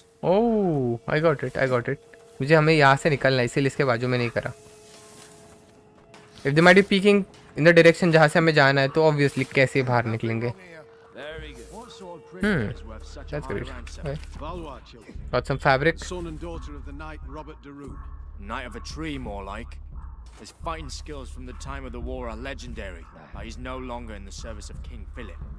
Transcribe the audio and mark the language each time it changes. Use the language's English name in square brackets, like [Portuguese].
[English] Oh, I got it. [Hindi] मुझे हमे यहां से निकलना है, इसलिए इसके बाजू में नहीं करा। [English] If they might be peeking in the direction [Hindi] jahan se hame jana hai, to obviously kaise bahar niklenge. [English] That's great. Okay. Got some fabric. Son and daughter of the knight Robert de Root. Knight of a tree, more like. His fighting skills from the time of the war are legendary, but he's no longer in the service of King Philip.